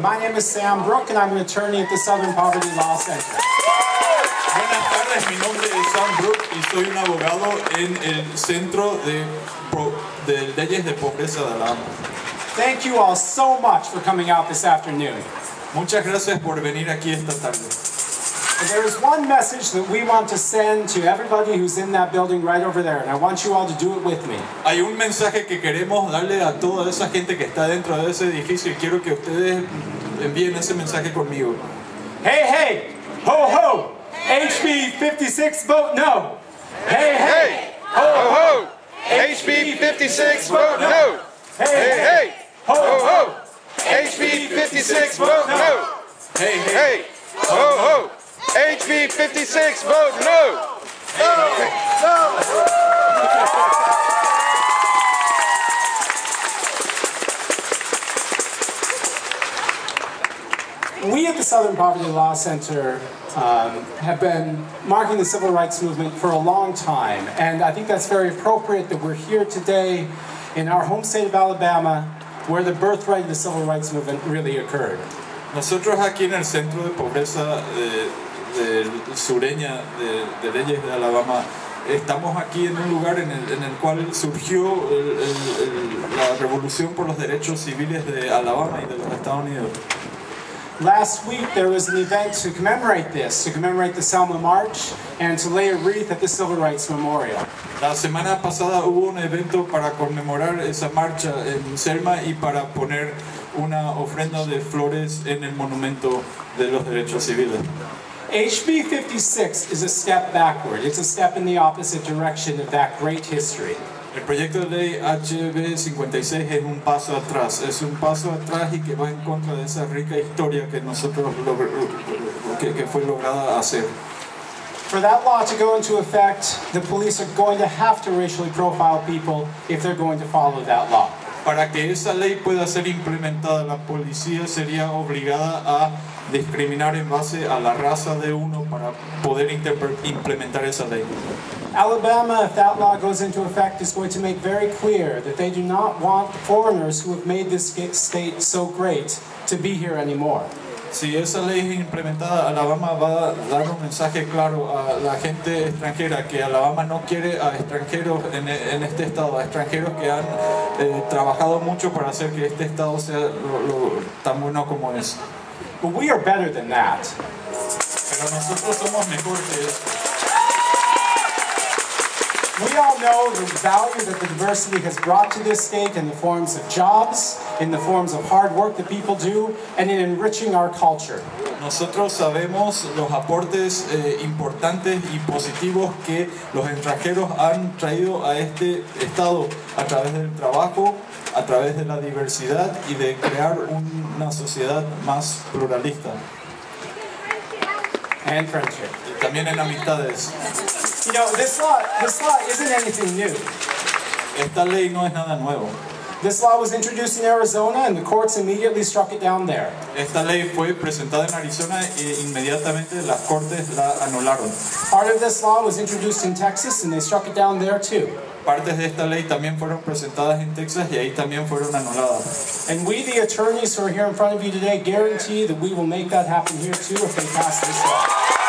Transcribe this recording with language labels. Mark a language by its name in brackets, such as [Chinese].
[English] My name is Sam Brooke, and I'm an attorney at the Southern Poverty Law Center. [Spanish] Buenas tardes. Mi nombre es Sam Brooke, y soy un abogado en el Centro de Leyes de Pobreza de Alabama. [English] Thank you all so much for coming out this afternoon. [Spanish] Muchas gracias por venir aquí esta tarde. [English] And there is one message that we want to send to everybody who's in that building right over there, and I want you all to do it with me. [Spanish] Hay un mensaje que queremos darle a toda esa gente que está dentro de ese edificio, y quiero que ustedes envíen ese mensaje conmigo. [English] Hey, hey, ho, ho, HB 56 vote no. Hey, hey, ho, ho, HB 56 vote no. Hey, hey, ho, ho, HB 56 vote no. Hey, hey, ho, ho. HB 56 vote no! No! No! We at the Southern Poverty Law Center have been marking the civil rights movement for a long time, and I think that's very appropriate that we're here today in our home state of Alabama, where the birthright of the civil rights movement really occurred. [Spanish] Nosotros aquí en el Centro de Pobreza de sureña de leyes de Alabama estamos aquí en un lugar en el cual surgió la revolución por los derechos civiles de Alabama y de los Estados Unidos. [English] Last week there was an event to commemorate this, to commemorate the Selma March and to lay a wreath at the Civil Rights Memorial. [Spanish] La semana pasada hubo un evento para conmemorar esa marcha en Selma y para poner una ofrenda de flores en el monumento de los derechos civiles. [English] HB 56 is a step backward. It's a step in the opposite direction of that great history. [Spanish] El proyecto de ley HB 56 es un paso atrás. Es un paso atrás y que va en contra de esa rica historia que nosotros que fue lograda hacer. [English] For that law to go into effect, the police are going to have to racially profile people if they're going to follow that law. [Spanish] Para que esa ley pueda ser implementada, la policía sería obligada a discriminar en base a la raza de uno para poder implementar esa ley. [English] Alabama, if that law goes into effect, is going to make very clear that they do not want foreigners who have made this state so great to be here anymore. [Spanish] Si esa ley es implementada, Alabama va a dar un mensaje claro a la gente extranjera que Alabama no quiere a extranjeros en este estado, a extranjeros que han trabajado mucho para hacer que este estado sea lo tan bueno como es. [English] But we are better than that. [Spanish] Pero nosotros somos mejor que eso. [English] We all know the value that the diversity has brought to this state in the forms of jobs, in the forms of hard work that people do, and in enriching our culture. [Spanish] Nosotros sabemos los aportes importantes y positivos que los extranjeros han traído a este estado a través del trabajo, a través de la diversidad y de crear una sociedad más pluralista. [English] And friendship. [Spanish] Y también en amistades. [English] You know, this law isn't anything new. [Spanish] Esta ley no es nada nuevo. [English] This law was introduced in Arizona and the courts immediately struck it down there. [Spanish] Esta ley fue presentada en Arizona e inmediatamente las cortes la anularon. [English] Part of this law was introduced in Texas and they struck it down there too. [Spanish] Partes de esta ley también fueron presentadas en Texas y ahí también fueron anuladas. [English] And we, the attorneys who are here in front of you today, guarantee that we will make that happen here too if they pass this law.